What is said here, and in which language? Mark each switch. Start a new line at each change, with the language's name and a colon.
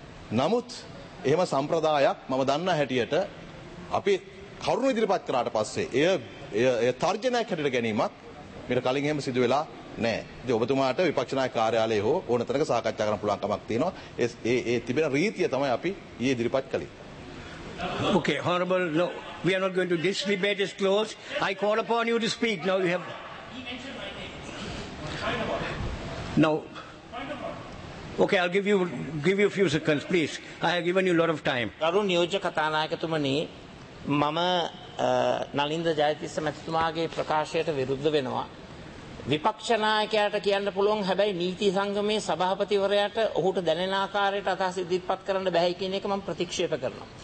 Sinhala: නමුත් එහෙම සම්ප්‍රදායක් මම දන්නා හැටියට අපි කරුණු ඉදිරිපත් කරාට පස්සේ එය තර්ජනයක් හැටියට ගැනීමක් මෙතන කලින් එහෙම සිදු වෙලා නෑ. ඉතින් ඔබතුමාට විපක්ෂ නායක කාර්යාලයේ හෝ ඕනතරක සාකච්ඡා කරන්න පුළුවන් කමක් තියෙනවා. ඒ තිබෙන රීතිය තමයි අපි ඊයේ ඉදිරිපත් කළේ.
English: Okay, honorable, no, we are not going to, this debate is closed. I call upon you to speak. Now you have, now okay, I'll give you a few seconds, please. I have given you a lot of time.
Sinhala: Karun niyojya kathanayakathumani, mama Nalinda Jayatissa මැතිතුමාගේ ප්‍රකාශයට විරුද්ධ වෙනවා. විපක්ෂ නායකයාට කියන්න පුළුවන්, හැබැයි නීති සංගමේ සභාපතිවරයාට ඔහුට දැනෙන ආකාරයට අදහස් ඉදිරිපත් කරන්න බැහැ කියන එක මම ප්‍රතික්ෂේප කරනවා.